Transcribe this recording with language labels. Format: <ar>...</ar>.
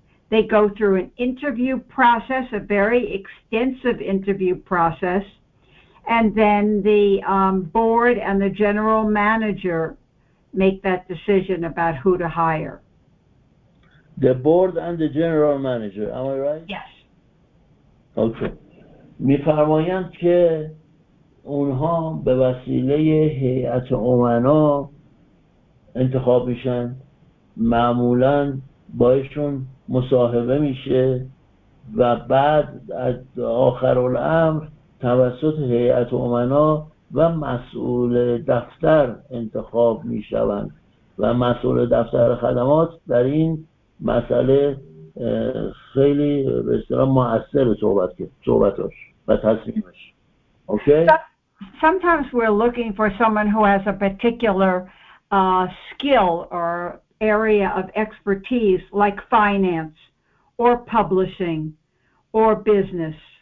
<en>They go through an interview process, a very extensive interview process, and then the board and the general manager make that decision about who to hire. The board and the general manager, am I right? Yes. Okay.</en> <fa>می فرمایند که اونها به وسیله هیئت امنا انتخاب میشن، معمولا باشون مصاحبه میشه و بعد از آخر الامر توسط هیئت امنا و مسئول دفتر انتخاب میشوند و مسئول دفتر خدمات در این مسئله خیلی به اصطلاح مؤثر صحبتش و تصمیمش.</fa> <en>Okay? Sometimes we're looking for someone who has a particular skill or area of expertise like finance or publishing or business.</en>